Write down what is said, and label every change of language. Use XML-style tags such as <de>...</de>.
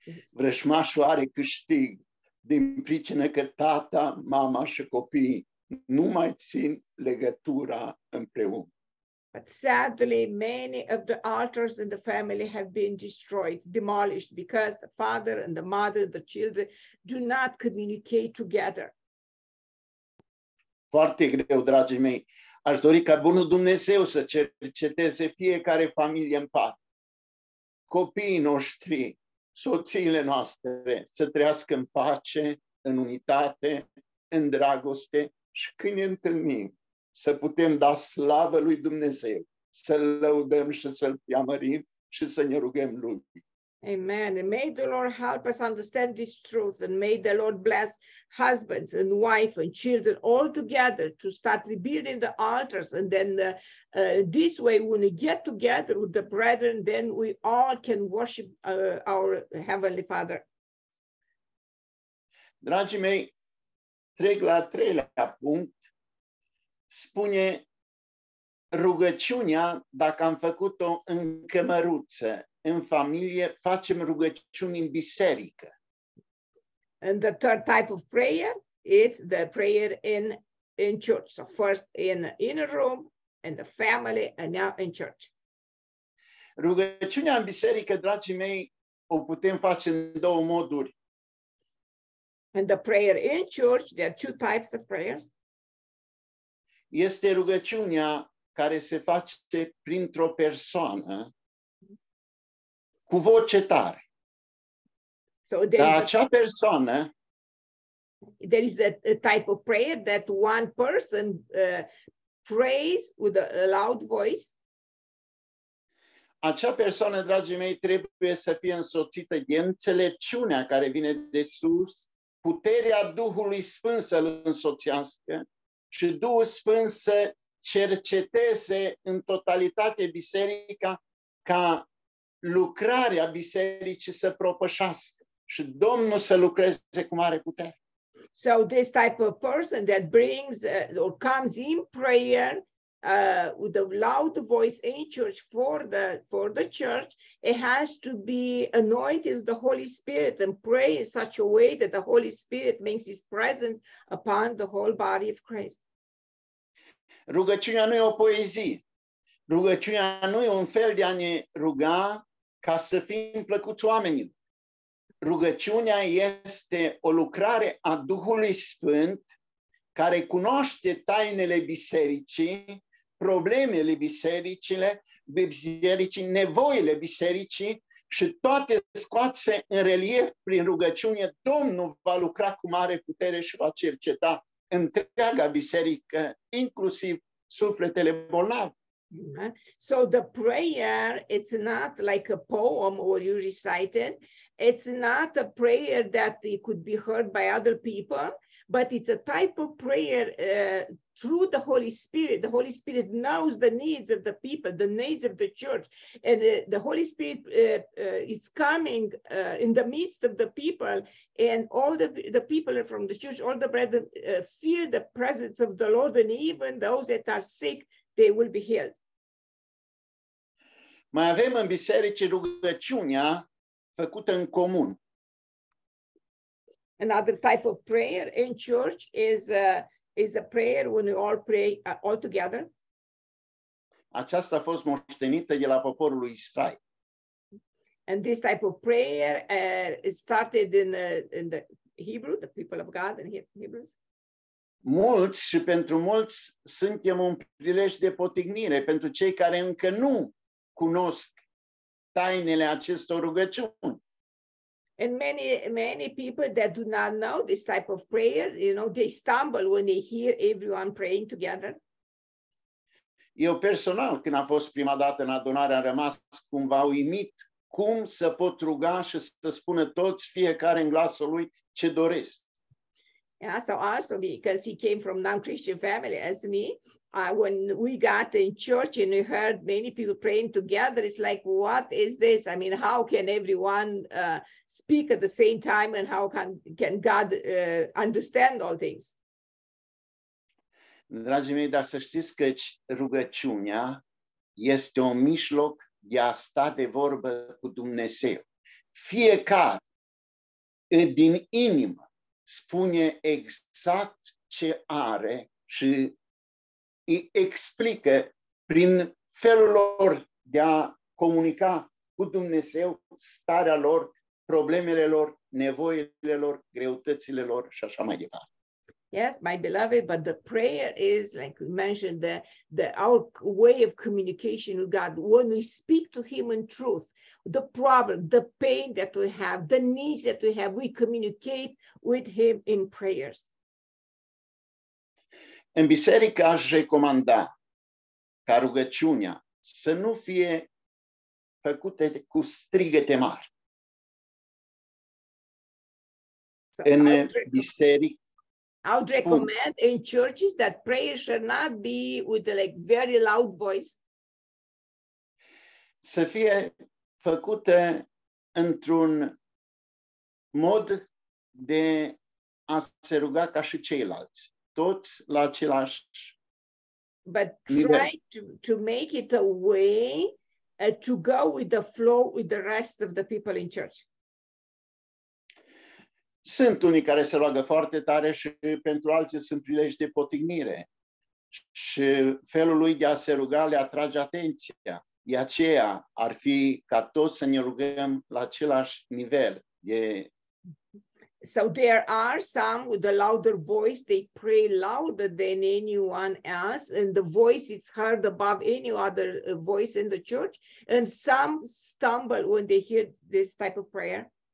<ro>Vrășmașul are câștig din pricină că tata, mama și copii nu mai țin legătura împreună.</ro> <en>But sadly, many of the altars in the family have been destroyed, demolished, because the father and the mother and the children do not communicate together.</en> <ro>Foarte greu, dragii mei. Aș dori ca Bunul Dumnezeu să cerceteze fiecare familie în parte. Copiii noștri, soțiile noastre, să trăiască în pace, în unitate, în dragoste și când ne întâlnim, să putem da slavă lui Dumnezeu, să-L lăudăm și să-L preamărim și să ne rugăm Lui. Amen.</ro> <en>And may the Lord help us understand this truth and may the Lord bless husbands and wife and children all together to start rebuilding the altars and then this way when we get together with the brethren, then we all can worship our Heavenly Father.</en> <ro>Dragii mei, trec la treilea punct. Spune rugăciunea dacă am făcut-o în cămăruță. În familie facem rugăciuni în biserică.</ro> <en>And the third type of prayer is the prayer in church. So first in inner room and the family and now in church.</en> <ro>Rugăciunea în biserică, dragii mei, o putem face în două moduri.</ro> <en>And the prayer in church, there are two types of prayers.</en> <ro>Este rugăciunea care se face printr-o persoană cu voce tare.</ro> <en>So there is a type of prayer that one person prays with a loud voice.</en> <ro>Acea persoană, dragii mei, trebuie să fie însoțită de înțelepciunea care vine de sus, puterea Duhului Sfânt să-l însoțească și Duhul Sfânt să cerceteze în totalitate biserica ca lucrarea bisericii să propășească și Domnul să lucreze cu mare putere.</ro> <en>So this type of person that brings or comes in prayer with a loud voice in church for the church, it has to be anointed with the Holy Spirit and pray in such a way that the Holy Spirit makes his presence upon the whole body of Christ.</en> <ro>Rugăciunea nu e o poezie. Rugăciunea nu e un fel de a ne ruga ca să fim plăcuți oamenilor. Rugăciunea este o lucrare a Duhului Sfânt care cunoaște tainele bisericii, problemele bisericile, bisericii, nevoile bisericii și toate scoase în relief prin rugăciune. Domnul va lucra cu mare putere și va cerceta întreaga biserică, inclusiv sufletele bolnave.</ro> <en>So the prayer, it's not like a poem or you recite it. It's not a prayer that it could be heard by other people, but it's a type of prayer through the Holy Spirit. The Holy Spirit knows the needs of the people, the needs of the church. And the Holy Spirit is coming in the midst of the people, and all the people from the church, all the brethren feel the presence of the Lord, and even those that are sick, they will be healed.</en> <ro>Mai avem în biserică rugăciunea făcută în comun.</ro> <en>Another type of prayer in church is a prayer when we all pray all together.</en> <ro>Aceasta a fost moștenită de la poporul lui Israel.</ro> <en>And this type of prayer started in the Hebrew, the people of God in Hebrews.</en> <ro>Mulți și pentru mulți suntem un prilej de potignire pentru cei care încă nu cunosc tainele acestor rugăciuni.</ro> <en>And many people that do not know this type of prayer, you know, they stumble when they hear everyone praying together.</en> <ro>Eu personal, când a fost prima dată în adunare, am rămas cumva uimit cum să pot ruga și să spună toți fiecare în glasul lui ce doresc.</ro> <en>Yeah, so also because he came from non-Christian family as me, when we got in church and we heard many people praying together, it's like, what is this? I mean, how can everyone speak at the same time and how can God understand all things?</en> <ro>Dragii mei, dar să știți că rugăciunea este un mijloc de a sta de vorbă cu Dumnezeu. Fiecare din inimă spune exact ce are și îi explică prin felul lor de a comunica cu Dumnezeu starea lor, problemele lor, nevoile lor, greutățile lor și așa mai departe.</ro> <en>Yes, my beloved, but the prayer is, like we mentioned, the our way of communication with God. When we speak to him in truth, the problem, the pain that we have, the needs that we have, we communicate with him in prayers.</en> <ro>În biserică aș recomanda ca rugăciunea să nu fie făcută cu strigete mari. În biserică.</ro> <en>I would recommend in churches that prayer should not be with like very loud voice.</en> <ro>Să fie făcută într-un mod de a se ruga ca și ceilalți. Toți la același</ro> <en>but try to make it a way to go with the flow with the rest of the people in church.</en> <ro>Sunt unii care se roagă foarte tare și pentru alții sunt prilej de potignire. Și felul lui de a se ruga le atrage atenția. De aceea ar fi ca toți să ne rugăm la același nivel de.</ro> <en>So there are some with a louder voice, they pray louder than anyone else, and the voice is heard above any other voice in the church, and some stumble when they hear this type of prayer.</en>